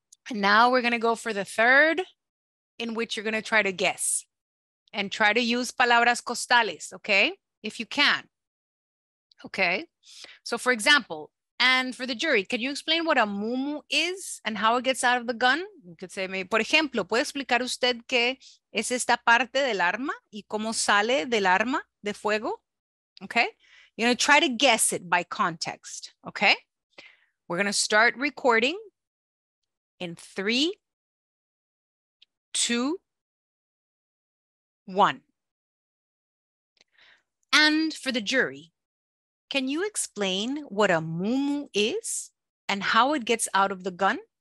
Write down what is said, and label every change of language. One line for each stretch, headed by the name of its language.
English: And now we're going to go for the third, in which you're going to try to guess and try to use
Spanish: palabras costales,
English: okay? If you can. Okay. So for example, and for the jury, can you explain what a mumu is and how it gets out of the gun? You could say,
Spanish: por ejemplo, ¿puede explicar usted qué es esta parte del arma y cómo sale del arma de fuego?
English: Okay. You're going to try to guess it by context. Okay. We're going to start recording in 3, 2, 1. And for the jury, can you explain what a mumu is and how it gets out of the gun?